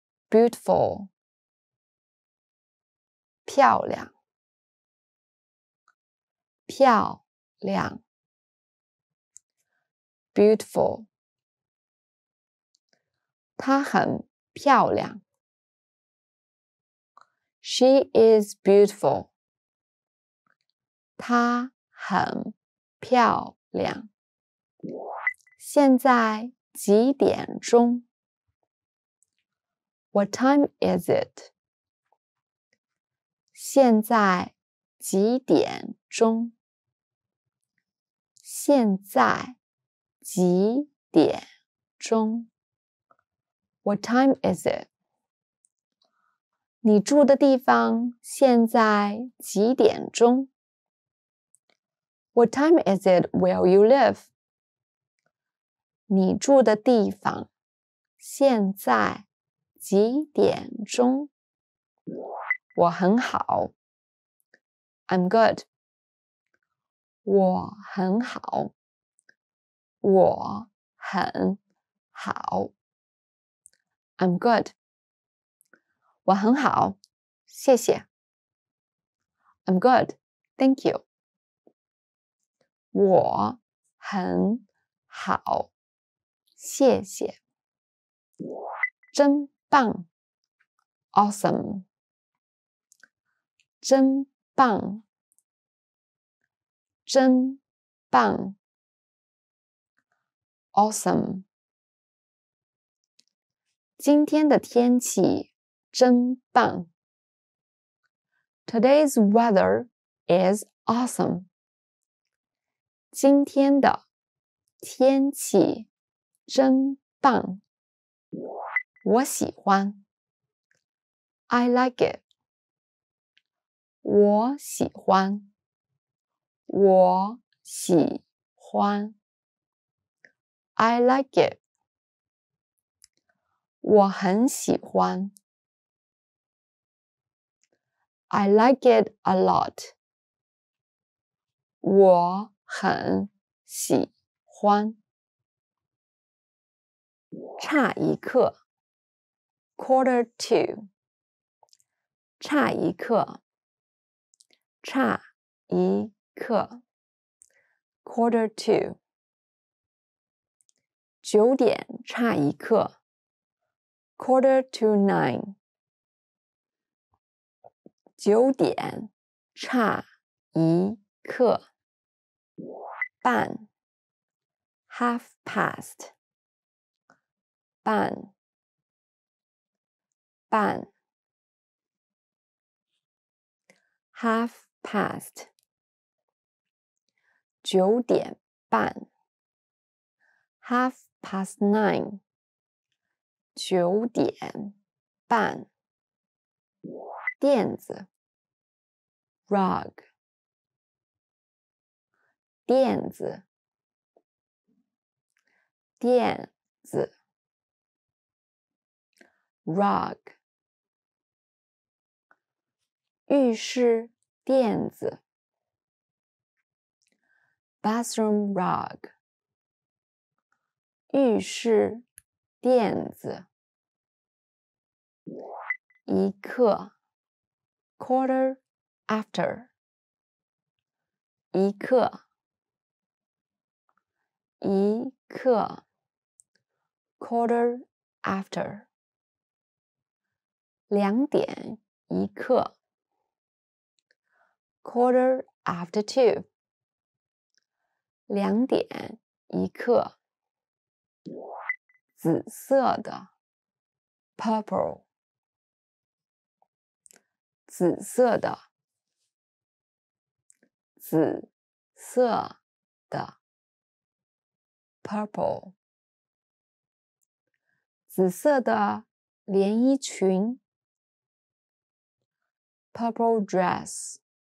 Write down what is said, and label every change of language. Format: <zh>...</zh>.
<en>Beautiful，</en> <zh>漂亮，漂亮。</zh> <en>Beautiful，</en> <zh>她很漂亮。</zh> <en>She is beautiful，</en> <zh>她很漂亮。现在几点钟？</zh> <en>What time is it?</en> <zh>现在几点钟？现在几点钟？</zh> <en>What time is it?</en> <zh>你住的地方现在几点钟？</zh> <en>What time is it where you live?</en> <zh>你住的地方现在几点钟？我很好。</zh> <en>I'm good.</en> <zh>我很好。我很好。</zh> <en>I'm good.</en> <zh>我很好。谢谢。</zh> <en>I'm good. Thank you.</en> <zh>我很好。谢谢。真棒 ，</zh> <en>awesome，</en> <zh>真棒，真棒 ，awesome。今天的天气真棒 ，</zh> <en>Today's weather is awesome。</en> <zh>今天的天气真棒。我喜欢</zh> <en>I like it.</en> <zh>我喜欢我喜欢</zh> <en>I like it.</en> <zh>我很喜欢</zh> <en>I like it a lot.</en> <zh>我很喜欢差一刻</zh> <en>Quarter to，</en> <zh>差一刻，差一刻。</zh> <en>Quarter to，</en> <zh>九点差一刻。</zh> <en>Quarter to nine，</en> <zh>九点差一刻。半 ，</zh> <en>half past，</en> <zh>半。半 ，</zh> <en>half past，</en> <zh>九点半 ，</zh> <en>half past nine，</en> <zh>九点半，垫子 ，</zh> <en>rug，</en> <zh>垫子，垫子 ，rug。浴室垫子 ，</zh> <en>bathroom rug。</en> <zh>浴室垫子，一刻 ，</zh> <en>quarter after。</en> <zh>一刻，一刻 ，</zh> <en>quarter after。</en> <zh>两点一刻。</zh> <en>Quarter after two，</en> <zh>两点一刻。紫色的 ，</zh> <en>purple，</en> <zh>紫色的，紫色的 ，purple， 紫色的连衣裙 ，</zh> <en>purple dress。</en>